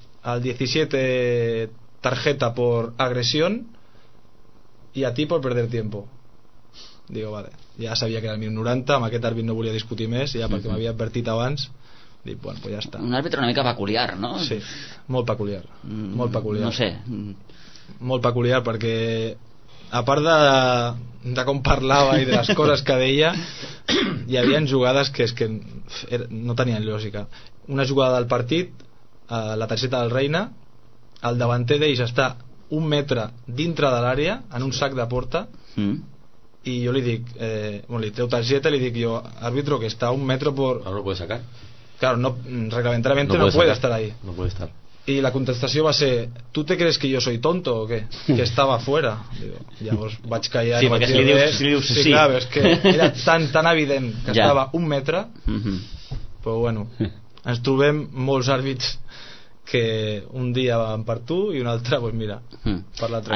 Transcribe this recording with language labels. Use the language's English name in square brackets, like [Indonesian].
[Spanish] al 17 tarjeta por agresión y a ti por perder tiempo. Digo, vale, ya sabía que era el [Catalan] minut 90, amb aquest àrbit no volia discutir més, ja perquè m'havia advertit abans. Dic, bueno, pues ja està. Un àrbitre una mica peculiar, no? Sí, molt peculiar. Molt peculiar. No sé. Molt peculiar perquè a part de com parlava i de les coses que deia, hi havia jugades que és que no tenien lògica. Una jugada del partit, la targeta del Reina, el davanter d'ells està un metre dintre de l'àrea en un sac de porta i jo li dic bueno, li treu targeta, li dic jo, árbitro, que està [Spanish] un metro por... Claro, no puede sacar. Claro, no, reglamentariamente no puede estar ahí. No puede estar. Y la [Catalan] contestació va ser, [Spanish] ¿tú te crees que yo soy tonto o qué? Que estaba fuera. [Catalan] Digo, llavors vaig callar. Sí, perquè si li dius, clar, és que era tan evident que ja estava un metre. Però bueno, ens trobem molts àrbits que un dia van per tu i un altre, pues mira, per l'altre.